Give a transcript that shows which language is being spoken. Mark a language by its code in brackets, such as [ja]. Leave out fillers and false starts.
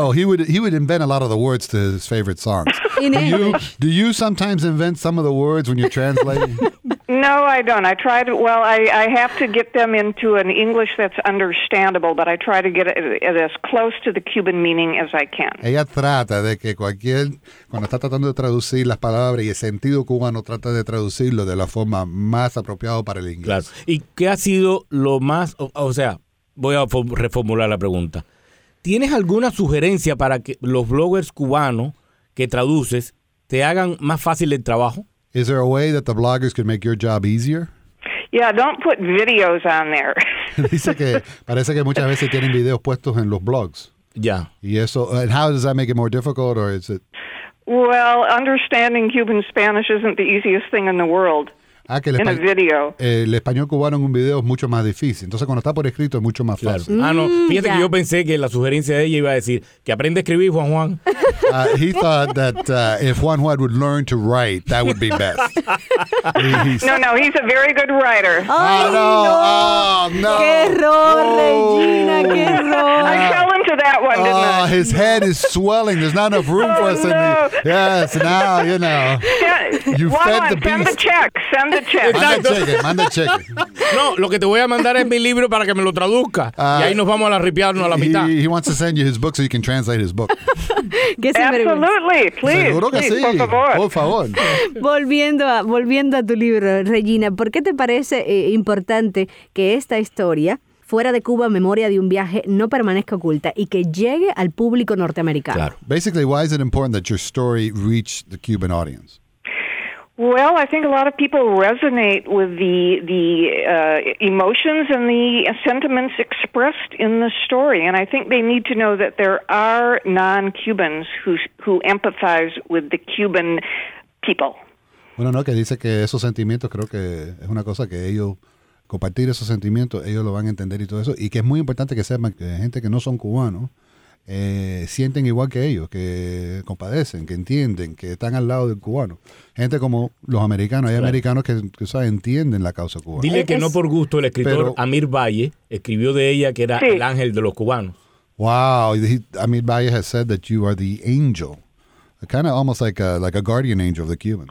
[en] Oh, he would invent a lot of the words to his favorite songs. Do you sometimes invent some of the words when you're translating? No, I don't. I try to. Well, I have to get them into an English that's understandable, but I try to get it as close to the Cuban meaning as I can. [es] Ella trata de que cualquier cuando está tratando de traducir las palabras y el sentido cubano trata de traducirlo de la forma más apropiada para el inglés. Claro. ¿Y qué ha sido lo más? O sea. Voy a reformular la pregunta. ¿Tienes alguna sugerencia para que los bloggers cubanos que traduces te hagan más fácil el trabajo? [en] Is there a way that the bloggers can make your job easier? Yeah, don't put videos on there. [es] Dice que parece que muchas veces tienen videos puestos en los blogs. [en] Yeah. [es] Y eso, [en] and how does that make it more difficult or is it? Well, understanding Cuban Spanish isn't the easiest thing in the world. [es] Ah, que el español cubano en un video es mucho más difícil. Entonces, cuando está por escrito es mucho más fácil. Claro. Ah, no. Fíjate que yo pensé que la sugerencia de ella iba a decir que aprende a escribir, Juan Juan. [en] He thought that if Juan Juan would learn to write, that would be best. No, he's a very good writer. [es] Oh, no. ¡Qué error, Regina! ¡Qué error! [en] I fell into that one, didn't I? His head is swelling. There's not enough room for us. No. Yes, now, you know. You Juan, fed the beast. Send the check. [es] Manda cheque. No, lo que te voy a mandar es mi libro para que me lo traduzca. Y ahí nos vamos a ripiarnos a la mitad. [en] He wants to send you his book so you can translate his book. Absolutely, please. [es] Seguro que [en] please, [es] sí. Por favor. Volviendo a tu libro, Regina, ¿por qué te parece importante que esta historia, Fuera de Cuba, Memoria de un Viaje, no permanezca oculta y que llegue al público norteamericano? Claro. [en] Basically, why is it important that your story reach the Cuban audience? Well, I think a lot of people resonate with the emotions and the sentiments expressed in the story, and I think they need to know that there are non-Cubans who empathize with the Cuban people. [es] Bueno, no, que dice que esos sentimientos creo que es una cosa que ellos compartir esos sentimientos, ellos lo van a entender y todo eso, y que es muy importante que sepan que gente que no son cubanos sienten igual que ellos, que compadecen, que entienden, que están al lado del cubano. Gente como los americanos, hay claro. americanos que o sea, entienden la causa cubana. Dile que no por gusto el escritor Amir Valle escribió de ella que era sí. el ángel de los cubanos. [en] Wow, Amir Valle has said that you are the angel. Kind of almost like a guardian angel of the Cubans.